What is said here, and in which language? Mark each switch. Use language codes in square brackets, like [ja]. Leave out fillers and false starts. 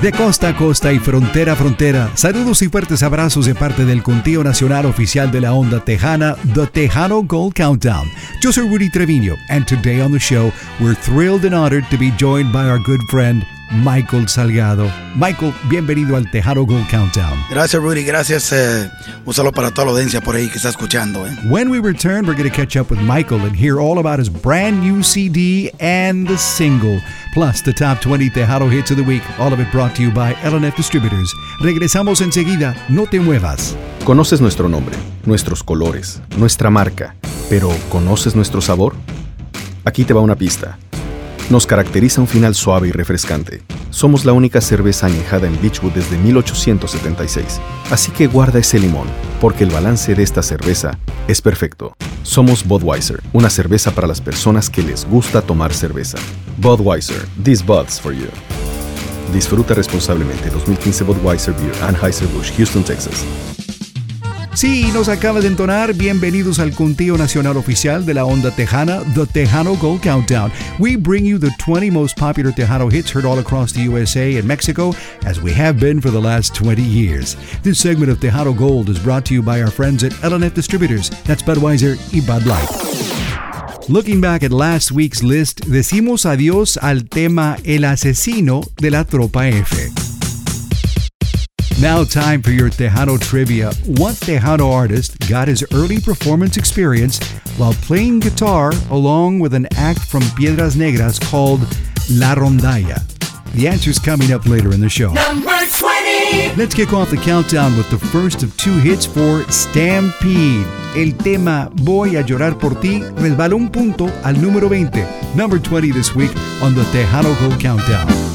[es] De costa a costa y frontera a frontera, saludos y fuertes abrazos de parte del Contigo Nacional Oficial de la Onda Tejana, The Tejano Gold Countdown. Yo soy [en] Rudy Treviño, and today on the show, we're thrilled and honored to be joined by our good friend, Michael Salgado. [es] Michael, bienvenido al Tejano Gold Countdown. Gracias, Rudy. Gracias. Un saludo para toda la audiencia por ahí que está escuchando. [en] When we return, we're going to catch up with Michael and hear all about his brand new CD and the single, plus the top 20 Tejano hits of the week, all of it brought to you by LNF Distributors. [es] Regresamos enseguida. No te muevas. ¿Conoces nuestro nombre, nuestros colores, nuestra marca, pero conoces nuestro sabor? Aquí te va una pista. Nos caracteriza un final suave y refrescante. Somos la única cerveza añejada en Beechwood desde 1876. Así que guarda ese limón, porque el balance de esta cerveza es perfecto. Somos Budweiser, una cerveza para las personas que les gusta tomar cerveza. [en] Budweiser, this Bud's for you. [es] Disfruta responsablemente 2015 Budweiser Beer, Anheuser-Busch, Houston, Texas. Sí, nos acaba de entonar. Bienvenidos al Contigo Nacional Oficial de la Onda Tejana, The Tejano Gold Countdown. [en] We bring you the 20 most popular Tejano hits heard all across the USA and Mexico, as we have been for the last 20 years. This segment of Tejano Gold is brought to you by our friends at LNF Distributors. That's Budweiser y Bud Light. Looking back at last week's list, [es] decimos adiós al tema [en] El Asesino de la Tropa F. Now time for your Tejano trivia. What Tejano artist got his early performance experience while playing guitar along with an act from Piedras Negras called La Rondalla? The answer's coming up later in the show. Number 20! Let's kick off the countdown with the first of two hits for Stampede. [es] El tema Voy a Llorar Por Ti resbaló un punto al número 20. [en] Number 20 this week on the Tejano Gold Countdown.